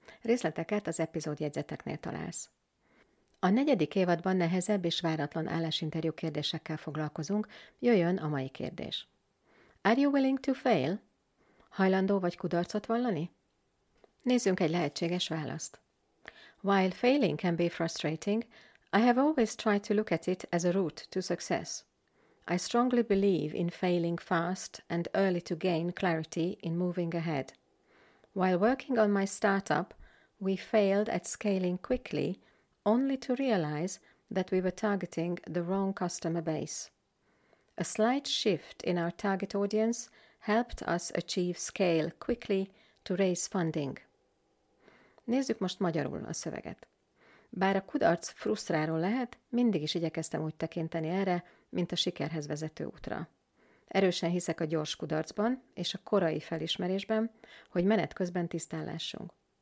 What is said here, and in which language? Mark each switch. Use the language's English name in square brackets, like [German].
[Hungarian] Részleteket az epizód jegyzeteknél találsz. A 4. évadban nehezebb és váratlan állásinterjú kérdésekkel foglalkozunk, jöjjön a mai kérdés. [English] Are you willing to fail? [Hungarian] Hajlandó vagy kudarcot vallani? Nézzünk egy lehetséges választ. [English] While failing can be frustrating, I have always tried to look at it as a route to success. I strongly believe in failing fast and early to gain clarity in moving ahead. While working on my startup, we failed at scaling quickly, only to realize that we were targeting the wrong customer base. A slight shift in our target audience helped us achieve scale quickly to raise funding. [Hungarian] Nézzük most magyarul a szöveget. Bár a kudarc frusztráló lehet, mindig is igyekeztem úgy tekinteni erre, mint a sikerhez vezető útra. Erősen hiszek a gyors kudarcban és a korai felismerésben, hogy menet közben tisztállásunk.